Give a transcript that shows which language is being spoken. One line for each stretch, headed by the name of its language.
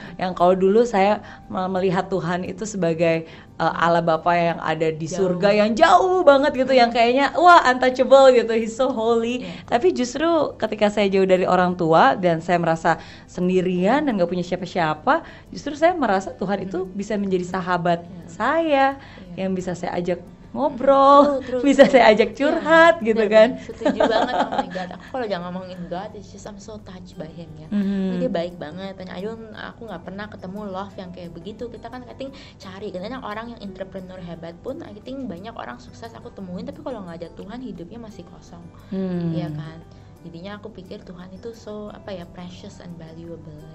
Indonesian: Yang kalau dulu saya melihat Tuhan itu sebagai Allah Bapa yang ada di surga, yang jauh banget gitu, yang kayaknya wah, untouchable gitu,
English: he's so holy.
Indonesian: Tapi justru ketika saya jauh dari orang tua dan saya merasa sendirian dan gak punya siapa-siapa, justru saya merasa Tuhan itu bisa menjadi sahabat saya, yang bisa saya ajak ngobrol, saya ajak curhat gitu kan. Setuju banget.
English: Oh my God,
Indonesian: aku kalau jangan ngomongin
English: God, it's just I'm so touched by him ya.
Indonesian: Dia baik banget. Dan Ayun, aku gak pernah ketemu love yang kayak begitu. Kita kan
English: I think
Indonesian: cari, karena orang yang entrepreneur hebat pun I think banyak orang sukses aku temuin, tapi kalau gak ada Tuhan, hidupnya masih kosong. Iya kan. Jadinya aku pikir Tuhan itu
English: so precious and valuable.